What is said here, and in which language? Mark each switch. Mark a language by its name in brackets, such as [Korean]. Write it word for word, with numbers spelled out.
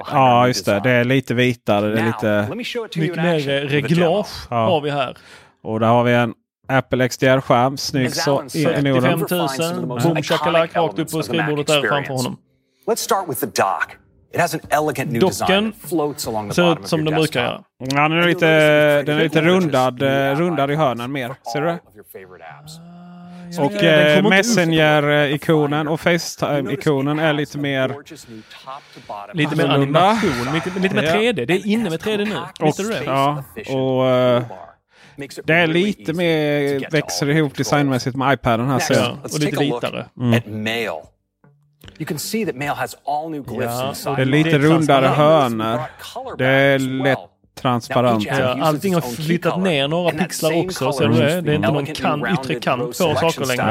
[Swedish] Ja, just det. Det är lite vitare. Det är lite mycket mer reglage har vi här. Och där har vi en Apple X D R-skärm, snygg så in i åren. fyrtiofem tusen, boom-chakalak rakt upp på skrivbordet där framför honom. [English] Let's start with the dock. It has an elegant new design that floats along the bottom of [Swedish] som [English] your desktop. [Swedish] Ja, den är lite, den är lite rundad, rundad i hörnan mer. Ser du det? Och eh, Messenger-ikonen och FaceTime-ikonen är lite mer lite mer animation, lite, lite mer tre D. Det är inne med tre D nu. Och, ja, och eh, det är lite mer växer ihop designmässigt med iPaden här så ja, och lite vitare. Mm. [English] You can see that mail has all new glyphs [Swedish] ja, [English] inside. [Swedish] Det är lite rundare hörnor. Det är lätt transparent. Ja, allting har flyttat ner några pixlar också. Så det är inte någon kan, yttre kant för saker längre.